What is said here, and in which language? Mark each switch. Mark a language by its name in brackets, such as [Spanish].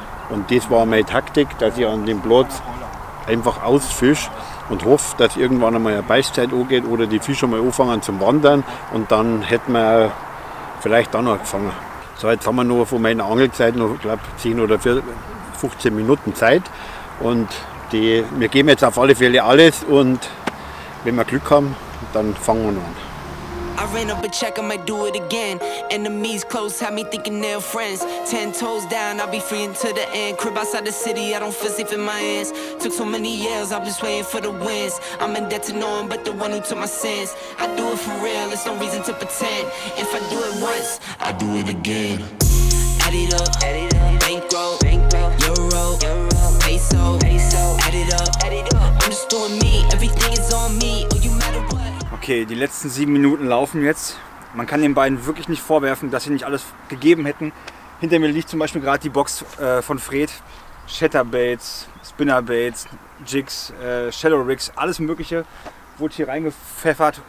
[German] Und das war meine Taktik, dass ich an dem Platz einfach ausfische und hoffe, dass irgendwann einmal eine Beißzeit angeht oder die Fische mal anfangen zum Wandern, und dann hätten wir vielleicht dann noch gefangen. So, jetzt haben wir noch von meiner Angelzeit noch, glaube ich, 10 oder 15 Minuten Zeit, und wir geben jetzt auf alle Fälle alles, und wenn wir Glück haben, dann fangen wir noch an. [English] I ran up a check, I might do it again. Enemies close, had me thinking they're friends. 10 toes down, I'll be free until the end. Crib outside the city, I don't feel safe in my hands. Took so many yells, I'm just waiting for the wins. I'm in debt to no one but the one who took my sins. I do it for real, there's no reason to pretend. If I do it once, I do it again. Add it up, add it up. Bankroll, bankroll. Euro, euro. Peso, peso. Add it up, add it up. I'm just doing me, everything is on me. [German] Okay, die letzten 7 Minuten laufen jetzt. Man kann den beiden wirklich nicht vorwerfen, dass sie nicht alles gegeben hätten. Hinter mir liegt zum Beispiel gerade die Box von Fred. Shatterbaits, Spinnerbaits, Jigs, Shallow Rigs, alles Mögliche wurde hier reingepfeffert.